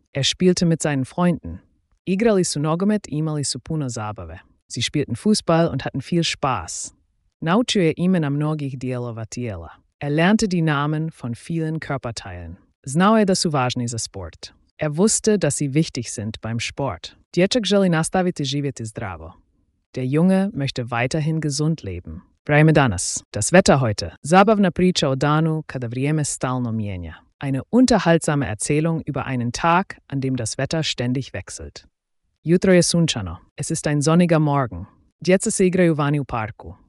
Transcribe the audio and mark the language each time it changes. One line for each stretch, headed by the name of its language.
German: Er spielte mit seinen Freunden.
Croatian: Igrali su nogomet i imali su puno zabave.
German: Sie spielten Fußball und hatten viel Spaß.
Croatian: Naučio je imena mnogih dijelova tijela.
German: Er lernte die Namen von vielen Körperteilen.
Croatian: Znao je da su važni za sport.
German: Er wusste, dass sie wichtig sind beim Sport.
Croatian: Dječak želi nastaviti živjeti zdravo.
German: Der Junge möchte weiterhin gesund leben.
Croatian: Vreme danas.
German: Das Wetter heute.
Croatian: Zabavna priča o danu kada vrijeme stalno mijenja.
German: Eine unterhaltsame Erzählung über einen Tag, an dem das Wetter ständig wechselt.
Croatian: Jutro je sunčano.
German: Es ist ein sonniger Morgen.
Croatian: Djeca se igraju vani u parku.